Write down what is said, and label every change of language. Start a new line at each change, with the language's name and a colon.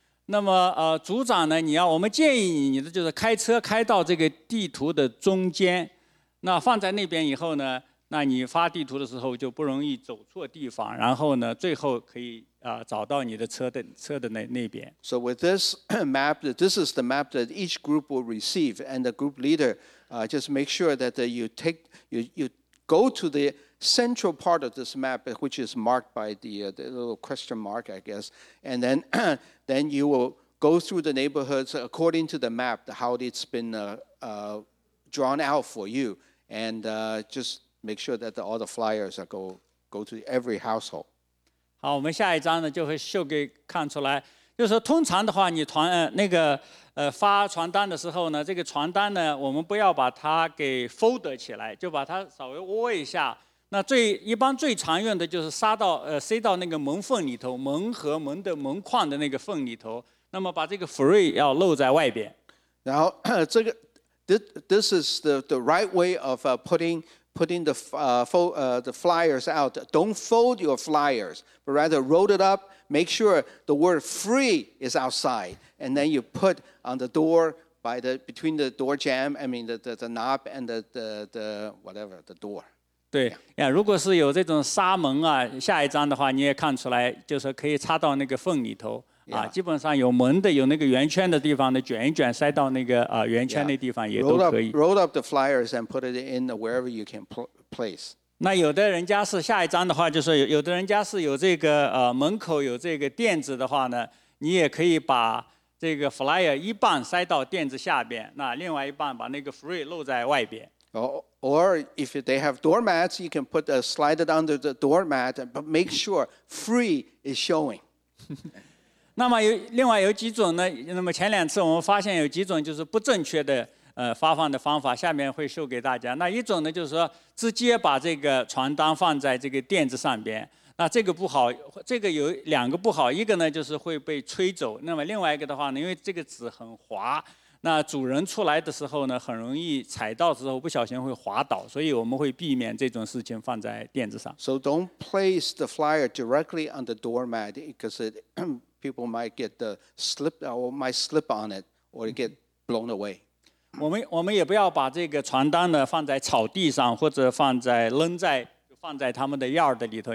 Chinese: 那么组长呢，我们建议你的就是开车开到这个地图的中间，那放在那边以后呢，那你发地图的时候就不容易走错地方，然后呢，最后可以找到你的车的那边。
English: So with this map, this is the map that each group will receive, and the group leader. Just make sure that you go to the central part of this map, which is marked by the little question mark, I guess. And then, then you will go through the neighborhoods according to the map, how it's been drawn out for you. And just make sure that all the flyers go to every household.
Chinese: 好，我们下一张呢就会秀给看出来。就是说通常的话你传那个发传单的时候呢，这个传单呢我们不要把它给 fold 起来，就把它稍微窝一下。那一般最常用的就是塞到那个门缝里头，门和门的门框的那个缝里头，那么把这个 free 要露在外边。然后这个
English: this is the right way of putting the flyers out. Don't fold your flyers, but rather roll it up. Make sure the word free is outside. And then you put on the door between the door jamb, I mean the knob and the whatever, the door. 对，yeah.
Chinese: 如果是有这种纱门啊，下一张的话你也看出来，就是可以插到那个缝里头。 Yeah. 基本上有门的有那个圆圈的地方的卷一卷塞到那个圆圈的地方也都可以。 Yeah.
English: Roll up the flyers and put it in wherever you can place.
Chinese: 那有的人家是下一张的话就是有的人家是有这个门口有这个垫子的话呢，你也可以把这个 flyer 一半塞到垫子下边，那另外一半把那个 free 露在外边。
English: Or if they have doormats, you can slide it under the doormat, but make sure free is showing.
Chinese: 那么另外有几种呢，那么前两次我们发现有几种就是不正确的发放的方法，下面会秀给大家。那一种呢就是说直接把这个传单放在这个垫子上边，那这个不好，这个有两个不好，一个呢就是会被吹走，那么另外一个的话呢，因为这个纸很滑，那主人出来的时候呢，很容易踩到之后不小心会滑倒，所以我们会避免这种事情放在垫子上。
English: So don't place the flyer directly on the doormat because it, people might get the slip or might slip on it or get blown away.
Chinese: 我们也不要把这个传单呢放在草地上或者扔在他们的 yard 里头。